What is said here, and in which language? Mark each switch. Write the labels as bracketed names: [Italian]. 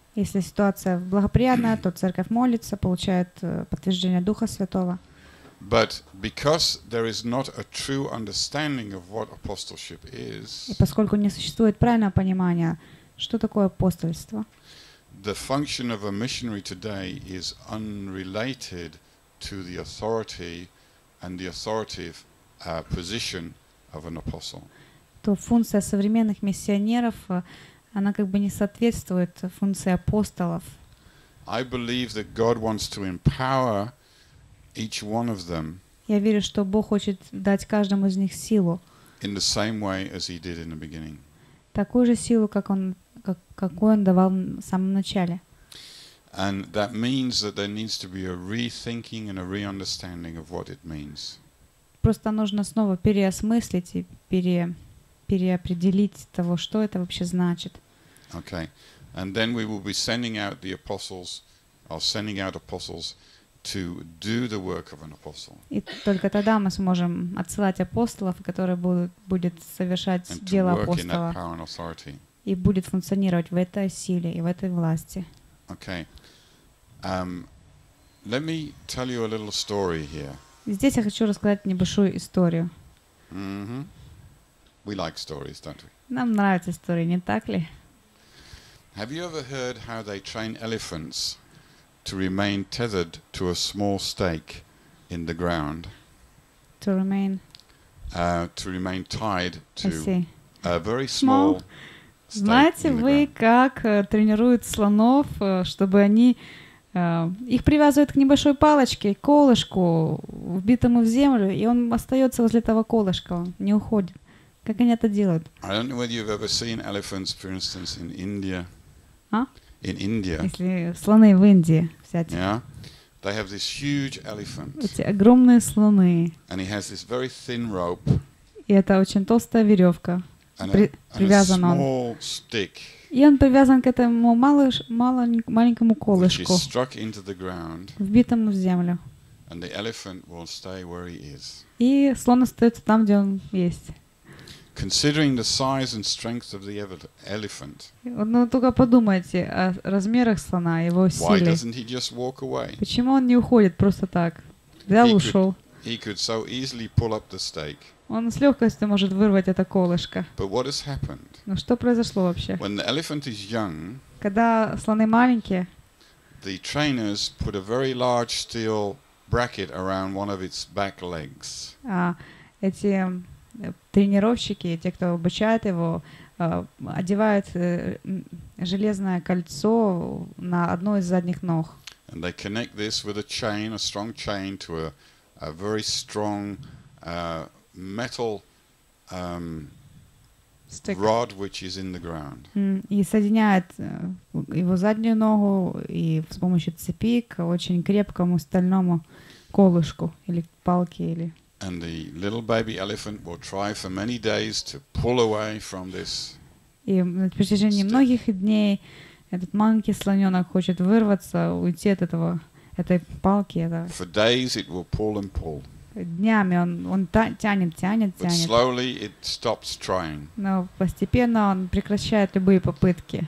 [Russian] Если ситуация благоприятная, то церковь молится, получает подтверждение Духа Святого. [English] But because there is not a true understanding of what apostleship is, [Russian] и поскольку не существует правильного понимания, что такое апостольство, [English] the function of a missionary today is unrelated to the authority and the authoritative position of an apostle. [Russian] То функция современных миссионеров, она как бы не соответствует функции апостолов. [English] I believe that God wants to empower each one of them. [Russian] Я верю, что Бог хочет дать каждому из них силу. [English] In the same way as he did in the beginning. [Russian] Такую же силу, как он, какой он давал в самом начале. [English] And that means that there needs to be a rethinking and a re-understanding of what it means. [Russian] Просто нужно снова переосмыслить и переопределить того, что это вообще значит. [English] Okay. And then we will be sending out the apostles, or sending out apostles to do the work of an apostle. [Russian] И только тогда мы сможем отсылать апостолов, которые будут совершать дело апостола. И будет функционировать в этой силе и в этой власти. [English] Okay. Let me tell you a little story here. [Russian] Здесь я хочу рассказать небольшую историю. [English] Mm-hmm. We like stories, don't we? [Russian] Нам нравятся истории, не так ли? [English] Have you ever heard how they train elephants to remain tethered to a small stake in the ground? To remain? To remain tied to a very small stake. [Russian] Знаете вы, как тренируют слонов, чтобы они их привязывают к небольшой палочке, колышку, вбитому в землю, и он остается возле этого колышка, он не уходит. Как они это делают? [English] I don't know whether you've ever seen elephants, for instance, in India. А? In India. [Russian] Если слоны в Индии взять. [English] Yeah. They have this huge elephant. [Russian] Эти огромные слоны. [English] And he has this very thin rope. [Russian] И это очень толстая веревка. Привязан он. [English] And a small stick. [Russian] И он привязан к этому маленькому колышку. [English] Which is struck into the ground. [Russian] Вбитому в землю. [English] And the elephant will stay where he is. [Russian] И слон остается там, где он есть. [English] Considering the size and strength of the elephant. [Russian] Ну, только подумайте о размерах слона, о его силе. [English] Why doesn't he just walk away? [Russian] Почему он не уходит просто так? Взял, ушел. [English] He could so easily pull up the stake. [Russian] Он с легкостью может вырвать это колышко. [English] But what has happened? [Russian] Но что произошло вообще? [English] When the elephant is young. [Russian] Когда слоны маленькие. [English] The trainers put a very large steel bracket around one of its back legs. [Russian] А эти тренировщики, те, кто обучает его, одевают железное кольцо на одну из задних ног. [English] And they connect this with a chain, a strong chain, to a very strong metal stick. Rod, which is in the ground. [Russian] И соединяет его заднюю ногу и с помощью цепи к очень крепкому стальному колышку или палке или. [English] And the little baby elephant will try for many days to pull away from this. [Russian] И на протяжении многих дней этот маленький слоненок хочет вырваться, уйти от этого, этой палки. [English] For days it will pull and pull. [Russian] Днями он тянет. [English] But slowly it stops trying. [Russian] Но постепенно он прекращает любые попытки.